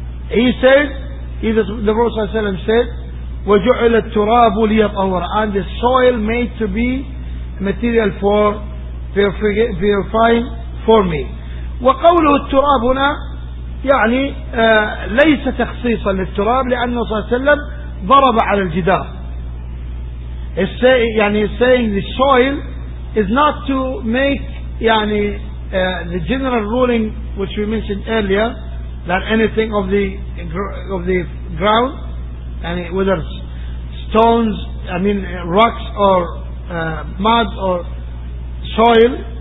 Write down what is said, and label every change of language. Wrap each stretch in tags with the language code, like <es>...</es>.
<en>He said, the Prophet said, said</en> <ar>وجعل التراب ليطهر,</ar> <en>and the soil made to be material for purifying for me.</en> <ar>وقوله التراب هنا يعني ليس تخصيصا للتراب, لأنه صلى الله عليه وسلم ضرب على الجدار.</ar> <en>يعني saying the soil is not to make يعني the general ruling which we mentioned earlier, that anything of the ground, any whether stones, I mean rocks or mud or soil,</en>